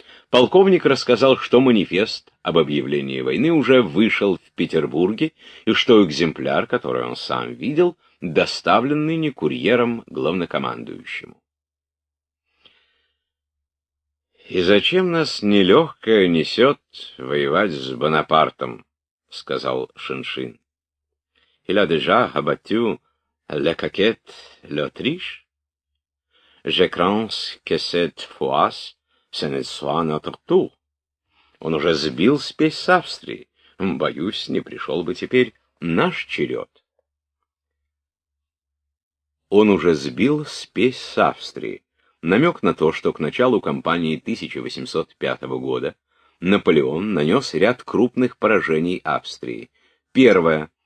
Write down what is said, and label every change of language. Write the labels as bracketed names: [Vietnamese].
[Russian] Полковник рассказал, что манифест об объявлении войны уже вышел в Петербурге, и что экземпляр, который он сам видел, доставлен ныне курьером главнокомандующему. «И зачем нас нелегкое несет воевать с Бонапартом?» — сказал Шиншин. [French] «Il a déjà abattu la coquette l'Autriche? Je crains que cette fois, ce ne soit notre tour. [Russian] Он уже сбил спесь с Австрии. Боюсь, не пришел бы теперь наш черед». «Он уже сбил спесь с Австрии» — намек на то, что к началу кампании 1805 года Наполеон нанес ряд крупных поражений Австрии. Первое.